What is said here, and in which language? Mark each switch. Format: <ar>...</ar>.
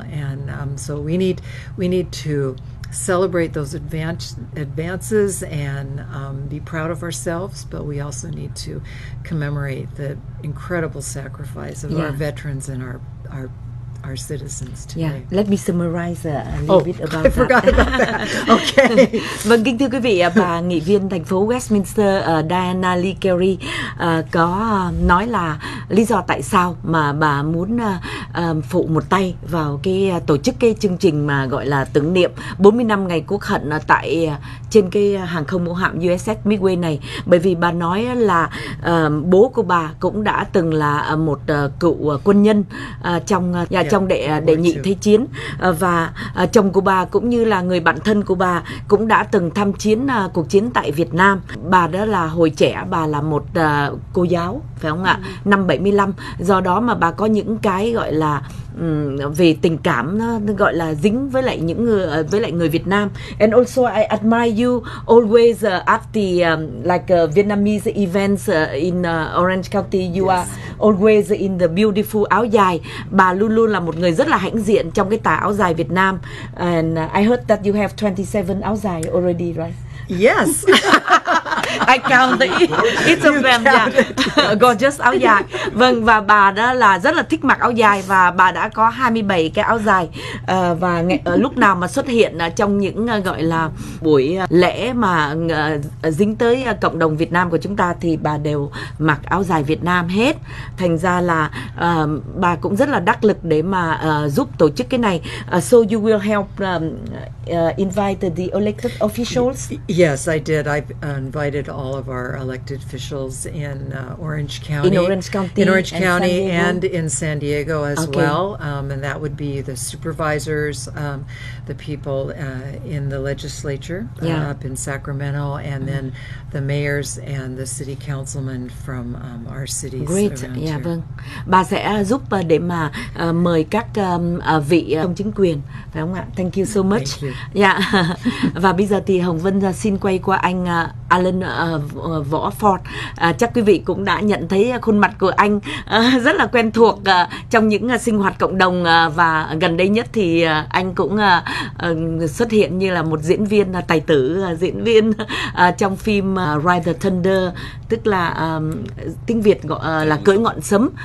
<en>And so we need to celebrate those advances and be proud of ourselves, but we also need to commemorate the incredible sacrifice of our veterans and our citizens today. Yeah. Let me summarize a little bit about that. I forgot about that. Okay.</en> <vi>Vâng, kính thưa quý vị, bà nghị viên thành phố Westminster Diana Lee Carey có nói là lý do tại sao mà bà muốn phụ một tay vào cái tổ chức cái chương trình mà gọi là tưởng niệm 40 năm ngày quốc hận tại trên cái hàng không mẫu hạm USS Midway này. Bởi vì bà nói là bố của bà cũng đã từng là một cựu quân nhân trong đệ nhị thế chiến, và chồng của bà cũng như là người bạn thân của bà cũng đã từng tham chiến cuộc chiến tại Việt Nam. Bà đó là hồi trẻ bà là một cô giáo, phải không ạ? Năm 75, do đó mà bà có những cái gọi là về tình cảm, gọi là dính với lại những người, với lại người Việt Nam.</vi> <en>And also I admire you always at the Vietnamese events in Orange County. You yes. are always in the beautiful áo dài.</en> <vi>Bà luôn luôn là một người rất là hãnh diện trong cái tà áo dài Việt Nam.</vi> <en>And I heard that you have 27 áo dài already, right? Yes. I count the it's a fan, yeah. Gorgeous áo dài.</en> <vi>Vâng, và bà đó là rất là thích mặc áo dài, và bà đã có 27 cái áo dài, và lúc nào mà xuất hiện trong những gọi là buổi lễ mà dính tới cộng đồng Việt Nam của chúng ta thì bà đều mặc áo dài Việt Nam hết. Thành ra là bà cũng rất là đắc lực để mà giúp tổ chức cái này.</vi> <en>So you will help invite the elected officials? Yes, I did. I invited all of our elected officials in Orange County. In Orange County. In Orange County and in San Diego as well. And that would be the supervisors, the people in the legislature up in Sacramento, and then the mayors and the city councilmen from our cities. Great. Around yeah, here.</en> <vi>Vâng. Bà sẽ giúp để mà mời các vị trong chính quyền, phải không ạ?</vi> <en>Thank you so much. Thank you.</en> <vi>Yeah. Và bây giờ thì Hồng Vân xin quay qua anh Alan Võ Ford. Chắc quý vị cũng đã nhận thấy khuôn mặt của anh rất là quen thuộc trong những sinh hoạt cộng đồng, và gần đây nhất thì anh cũng xuất hiện như là một diễn viên tài tử, diễn viên trong phim Ride the Thunder, tức là tiếng Việt gọi là Cưỡi Ngọn Sấm.</vi>